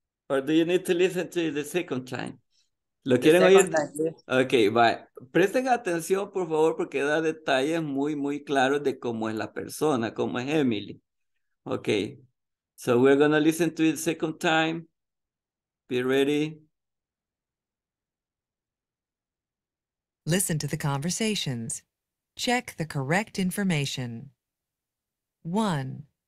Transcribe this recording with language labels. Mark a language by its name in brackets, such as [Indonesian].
[English] Or do you need to listen to it the second time? [Spanish] ¿Lo quieren oír? [English] Okay, bye. [Spanish] Presten atención, por favor, porque da detalles muy, muy claros de cómo es la persona, cómo es Emily. [English] Okay, so we're gonna listen to it second time. Be ready. Listen to the conversations. Check the correct information. 1.